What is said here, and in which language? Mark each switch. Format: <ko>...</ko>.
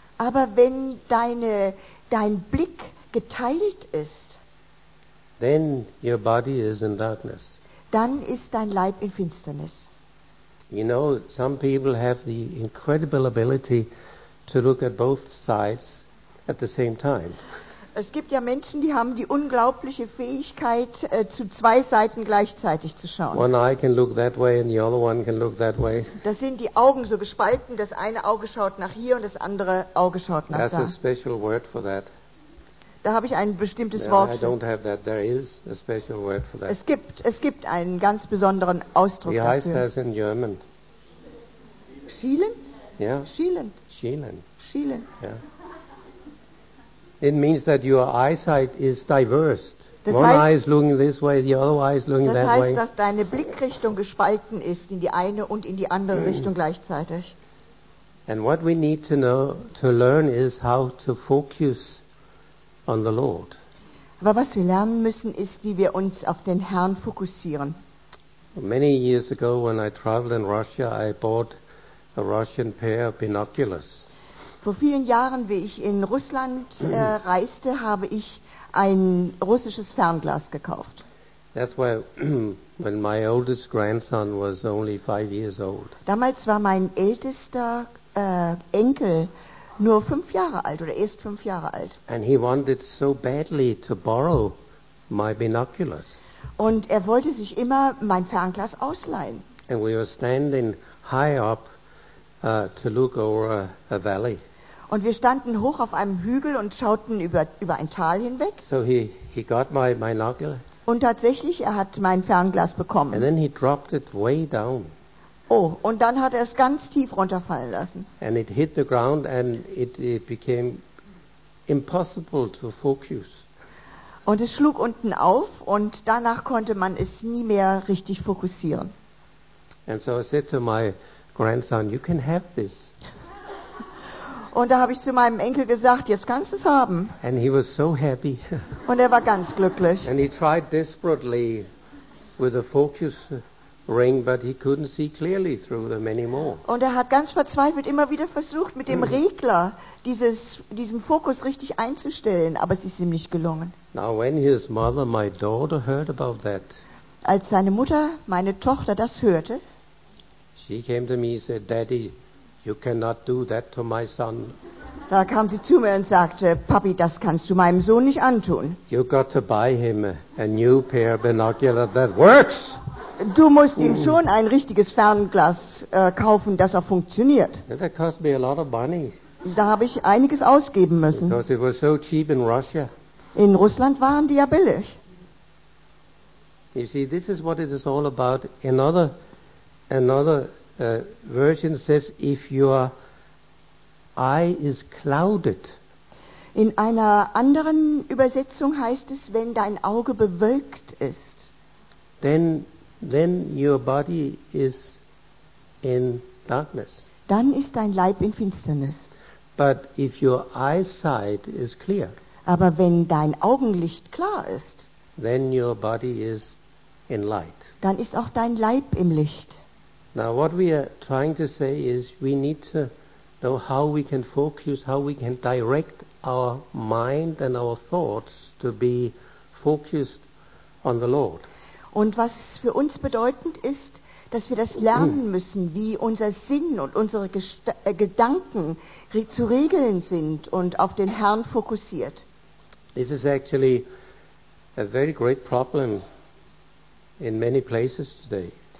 <de>Aber wenn dein Blick geteilt ist.</de> <en>Then your body is in darkness.</en> <de>Dann ist dein Leib in Finsternis.</de> <en>You know, some people have the incredible ability to look at both sides at the same time.</en> <de>Es gibt ja Menschen, die haben die unglaubliche Fähigkeit, zu zwei Seiten gleichzeitig zu schauen.</de> <en>One eye can look that way and the other one can look that way.</en> <de>Das sind die Augen so gespalten, das eine Auge schaut nach hier und das andere Auge schaut nach da.</de> <en>That's a special word for that.</en> <de>Da habe ich ein bestimmtes Wort.</de> <en>I don't have that. There is a special word for that.</en> <de>Es gibt einen ganz besonderen Ausdruck dafür. Wie heißt das in German? Schielen? Ja. Schielen. Schielen. Schielen.</de> <en>Yeah. It means that your eyesight is diverse. One eye is looking this way, the other eye is looking that way.</en> <de>Das heißt, dass deine Blickrichtung gespalten ist in die eine und in die andere Richtung gleichzeitig.</de> <en>And what we need to know, to learn is how to focus on the Lord.</en> <de>Aber was wir lernen müssen, ist, wie wir uns auf den Herrn fokussieren.</de> <en>Many years ago, when I traveled in Russia, I bought a Russian pair of binoculars.</en> <de>Vor vielen Jahren, wie ich in Russland reiste, habe ich ein russisches Fernglas gekauft.</de> <en>That's why when my oldest grandson was only 5 years old.</en> <de>Damals war mein ältester Enkel nur 5 Jahre alt oder erst 5 Jahre alt.</de> <en>And he wanted so badly to borrow my binoculars.</en> <de>Und er wollte sich immer mein Fernglas ausleihen.</de> <en>And we were standing high up to look over a valley.</en> <de>Und wir standen hoch auf einem Hügel und schauten über ein Tal hinweg.</de> <en>So he got my binocular.</en> <de>Und tatsächlich, er hat mein Fernglas bekommen.</de> <en>And then he dropped it way down.</en> <de>Oh, und dann hat er es ganz tief runterfallen lassen.</de> <en>And it hit the ground and it became impossible to focus.</en> <de>Und es schlug unten auf und danach konnte man es nie mehr richtig fokussieren.</de> <en>And so I said to my grandson, you can have this.</en> <de>Und da habe ich zu meinem Enkel gesagt, jetzt kannst du es haben.</de> <en>And he was so happy.</en> <de>Und er war ganz glücklich.</de> <en>And he tried desperately with a focus ring, but he couldn't see clearly through them anymore.</en> <de>Und er hat ganz verzweifelt immer wieder versucht, mit dem Regler diesen Fokus richtig einzustellen, aber es ist ihm nicht gelungen.</de> <en>Now when his mother, my daughter, heard about that,</en> <de>als seine Mutter, meine Tochter, das hörte,</de> <en>she came to me and said, Daddy, you cannot do that to my son.</en> <de>Da kam sie zu mir und sagte, Papi, das kannst du meinem Sohn nicht antun.</de> <en>You got to buy him a new pair of binoculars that works.</en> <de>Du musst ihm schon ein richtiges Fernglas kaufen, dass er funktioniert.</de> <en>That cost me a lot of money.</en> <de>Da habe ich einiges ausgeben müssen.</de> <en>Because it was so cheap in Russia.</en> <de>In Russland waren die ja billig.</de> <en>You see, this is what it is all about. Another version says, if your eye is clouded.</en> <de>In einer anderen Übersetzung heißt es, wenn dein Auge bewölkt ist.</de> <en>Then your body is in darkness.</en> <de>Dann ist dein Leib in Finsternis.</de> <en>But if your eyesight is clear.</en> <de>Aber wenn dein Augenlicht klar ist.</de> <en>Then your body is in light.</en> <de>Dann ist auch dein Leib im Licht.</de> <en>Now what we are trying to say is we need to know how we can focus, how we can direct our mind and our thoughts to be focused on the Lord.</en> <de>Und was für uns bedeutend ist, dass wir das lernen müssen, wie unser Sinn und unsere Gedanken zu regeln sind und auf den Herrn fokussiert.</de> <en>This is actually a very great problem in many places today.</en>